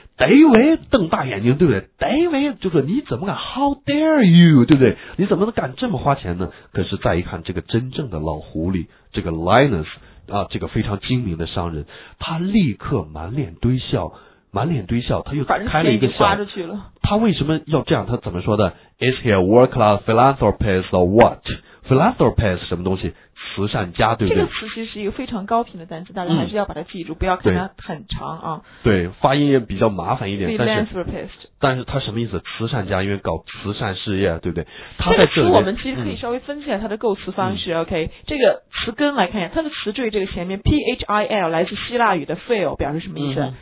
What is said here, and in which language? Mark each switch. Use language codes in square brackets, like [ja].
[zh] David 瞪大眼睛，对不对 ？David 就说你怎么敢 ？ [en] How dare you， [zh] 对不对？你怎么能敢这么花钱呢？可是再一看，这个真正的老狐狸，这个 Linus 啊，这个非常精明的商人，他立刻满脸堆笑，满脸堆笑，他又开了一个笑。反正钱已经花出去了。他为什么要这样？他怎么说的 ？ [en] Is he a world class philanthropist or what？ [zh] Philanthropist 什么东西？慈善家，对不对？这个词其实是一个非常高频的单词，大家还是要把它记住，不要看它很长啊。对，发音也比较麻烦一点。 [en] Philanthropist， [zh] 但是它什么意思？慈善家，因为搞慈善事业，对不对？他在这个词我们其实可以稍微分析一下它的构词方式。OK， 这个词根来看一下，它的词缀这个前面 phil 来自希腊语的 phil 表示什么意思？